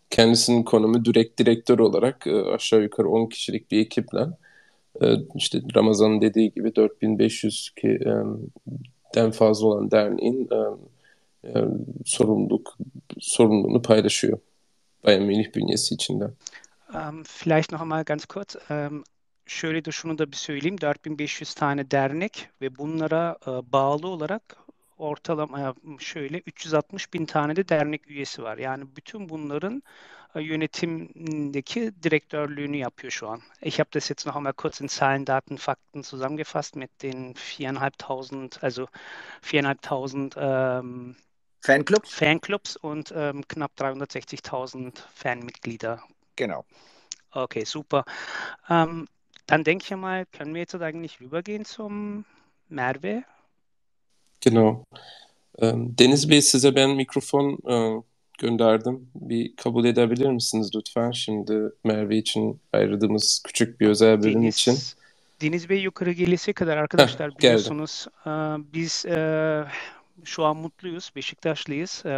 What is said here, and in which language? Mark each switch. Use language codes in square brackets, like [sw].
[tr] kendisinin konumu direktör olarak aşağı yukarı 10 kişilik bir ekiple işte Ramazan'ın dediği gibi 4.500 den fazla olan derneğin sorumluluğunu paylaşıyor Bayern Münih bünyesi içinde. [de] Vielleicht noch einmal ganz kurz. [tr] Şöyle de şunu da bir söyleyeyim. 4.500 tane dernek ve bunlara bağlı olarak ortalama şöyle 360 bin tane de dernek üyesi var. Yani bütün bunların yönetimindeki direktörlüğünü yapıyor şu an. [de] Ich habe das jetzt noch einmal kurz in Zahlen, Daten, Fakten zusammengefasst mit den 4.500, also 4.500 Fanclubs? Fanclubs und knapp 360.000 Fanmitglieder. Genau. Okay, super. Dann denke ich mal, können wir jetzt eigentlich rübergehen zum Merve? Genau. [tr] Deniz Bey, size ben mikrofon gönderdim. Bir kabul edebilir misiniz lütfen? Şimdi Merve için ayırdığımız küçük bir özel bölüm için. Deniz Bey yukarı gelesi kadar Heh, arkadaşlar geldim. biliyorsunuz biz şu an mutluyuz, Beşiktaşlıyız.